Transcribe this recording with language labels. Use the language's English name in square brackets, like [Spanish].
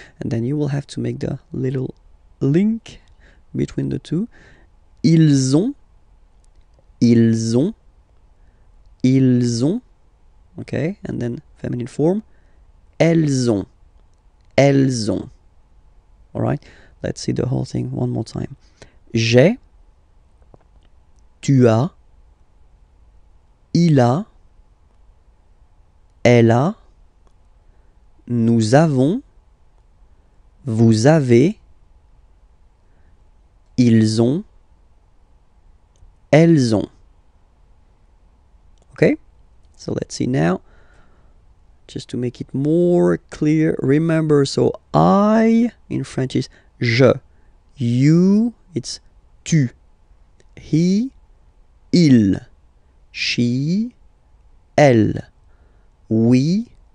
[English] And then you will have to make the little link between the two. [French] Ils ont. Ils ont. Ils ont. Okay, and then feminine form, elles ont, elles ont. [English] Alright, let's see the whole thing one more time. [French] J'ai, tu as, il a, elle a, nous avons, vous avez, ils ont, elles ont. [English] Okay? So let's see now, just to make it more clear, remember, so I in French is je, you, it's tu, he, il, she, elle, we,